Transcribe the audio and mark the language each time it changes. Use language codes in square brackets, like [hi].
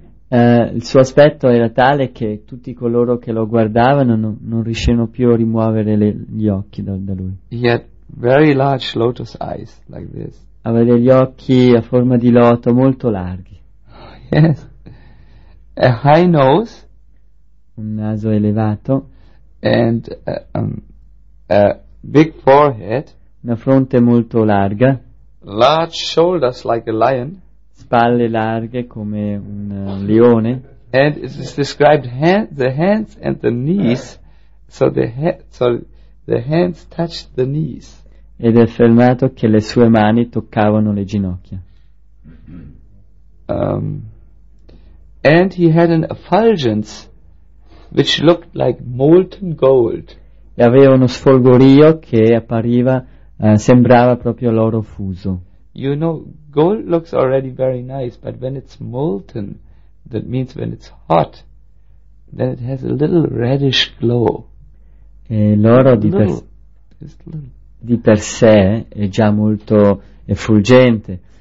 [it] Il suo aspetto era tale che tutti coloro che lo guardavano non riuscivano più a rimuovere gli occhi da lui. [en] He had very large lotus eyes like this. [it] Aveva gli occhi a forma di loto molto larghi. [en] Yes. A high nose. [it] Un naso elevato. [en] And a big forehead, [it] una fronte molto larga, [en] large shoulders like a lion, [it] spalle larghe come un leone, [en] and it is described the hands and the knees, so the hands touched the knees. [it] Ed è affermato che le sue mani toccavano le ginocchia. [en] And he had an effulgence which looked like molten gold. [it] E aveva uno sfolgorio che appariva, sembrava proprio l'oro fuso. [en] You know, gold looks already very nice, but when it's molten, that means when it's hot, then it has a little reddish glow. [it] E l'oro di per sé è già molto effulgente,